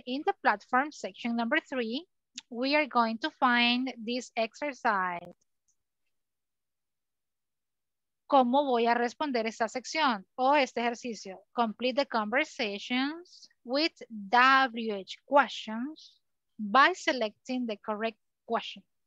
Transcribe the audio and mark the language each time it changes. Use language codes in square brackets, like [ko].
[en] In the platform section number 3, we are going to find this exercise. [es] ¿Cómo voy a responder esta sección o este ejercicio? [en] Complete the conversations with WH questions by selecting the correct question.